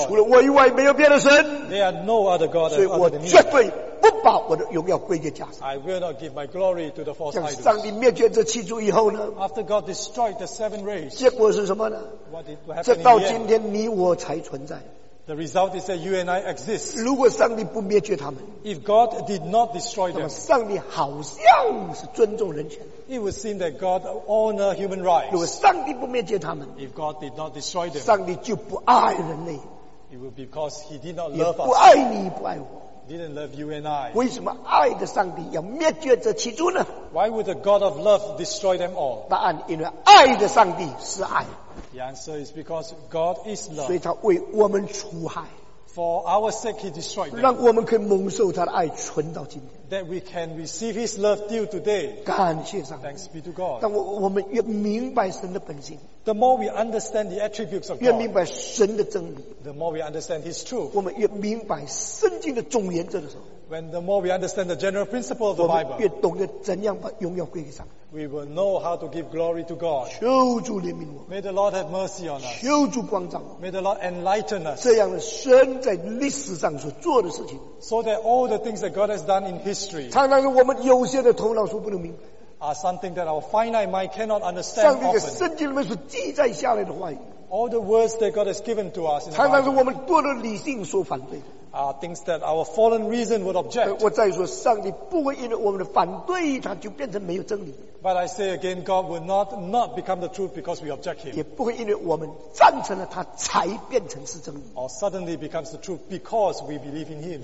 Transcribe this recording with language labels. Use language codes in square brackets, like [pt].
[zh] 你除了我以外没有别的神。 [en] There are no other gods. [zh] 所以我绝对不把我的荣耀归给假神。 [en] I will not give my glory to the false idols. [zh] 上帝灭绝这七柱以后呢？ [en] After God destroyed the seven rays. [zh] 结果是什么呢？这到今天你我才存在。 [en] The result is that you and I exist. [zh] 如果上帝不灭绝他们， [en] if God did not destroy them, [zh] 那么上帝好像是尊重人权。 [en] It would seem that God honors human rights. [zh] 如果上帝不灭绝他们， [en] if God did not destroy them, [zh] 上帝就不爱人类。 [en] It would be because He did not love us. [zh] 不爱你，不爱我。 [en] Didn't love you and I. [zh] 为什么爱的上帝要灭绝这七柱呢？ [en] Why would the God of love destroy them all? [zh] 答案，因为爱的上帝是爱。 [en] The answer is because God is love. [zh] 所以他为我们除害。 [en] For our sake, He destroyed them. [zh] 让我们可以蒙受他的爱，存到今天。 [en] That we can receive His love till today. [zh] 感谢上帝。 [en] Thanks be to God. [zh] 但我们越明白神的本性。 [en] The more we understand the attributes of God. [zh] 越明白神的真理。 [en] The more we understand His truth. [zh] 我们越明白圣经的总原则的时候。 [en] When the more we understand the general principle of the Bible. [zh] 我们越懂得怎样把荣耀归给上帝。 [en] We will know how to give glory to God. [zh] 求主怜悯我。 [en] May the Lord have mercy on us. [zh] 求主光照。 [en] May the Lord enlighten us. [zh] 这样的神在历史上所做的事情。 [en] So that all the things that God has done in history. [zh] 常常是我们有限的头脑所不能明白。 [en] Are something that our finite mind cannot understand often. [zh] 上帝的圣经里面所记载下来的话语。 [en] All the words that God has given to us. [zh] 常常是我们堕落理性所反对的。 [en] Things that our fallen reason would object. [zh] 我再说，上帝不会因为我们的反对，他就变成没有真理。 [en] But I say again, God will not become the truth because we object Him. [zh] 也不会因为我们赞成了他，才变成是真理。 [en] Or suddenly becomes the truth because we believe in Him.